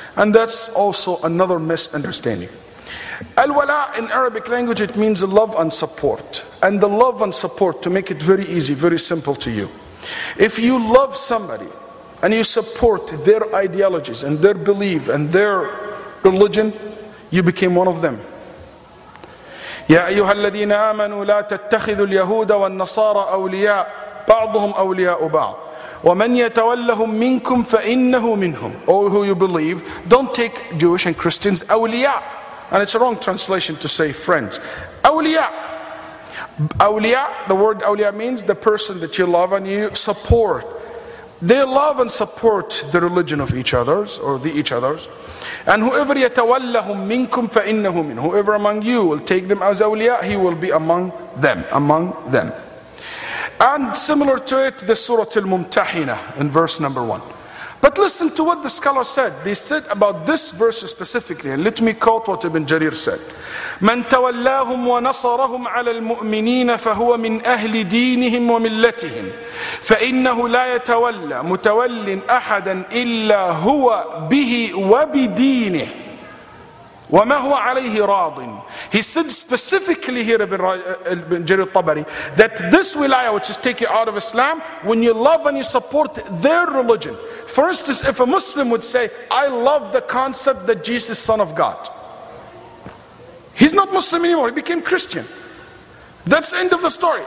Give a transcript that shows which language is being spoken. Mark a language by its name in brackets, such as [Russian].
[English] And that's also another misunderstanding. Al-wala' in Arabic language, it means love and support. And the love and support, to make it very easy, very simple to you. If you love somebody and you support their ideologies and their belief and their religion, you became one of them. [Arabic] يا أيها الذين آمنوا لا تتخذوا اليهود والنصارى أولياء بعضهم أولياء بعض ومن يتولهم منكم فإنه منهم. [English] Oh, who you believe, don't take Jewish and Christians أولياء. And it's a wrong translation to say friends. [Arabic] أولياء. [English] أولياء, the word أولياء means the person that you love and you support. They love and support the religion of each other's or the each other's. And whoever [Arabic] يتولهم منكم فإنه من, [English] whoever among you will take them as أولياء, he will be among them. Among them. And similar to it, the Surah Al-Mumtahina in verse number 1. But listen to what the scholar said. They said about this verse specifically. And let me quote what Ibn Jarir said. [Arabic] من تولاهم ونصرهم على المؤمنين فهو من أهل دينهم وملتهم فإنه لا يتولى متولى أحدا إلا هو به وبدينه وما هو عليه راض. [English] He said specifically here, Ibn Jarir al-Tabari, that this wilaya, which is taking out of Islam, when you love and you support their religion. For instance, if a Muslim would say, I love the concept that Jesus is Son of God. He's not Muslim anymore, he became Christian. That's the end of the story.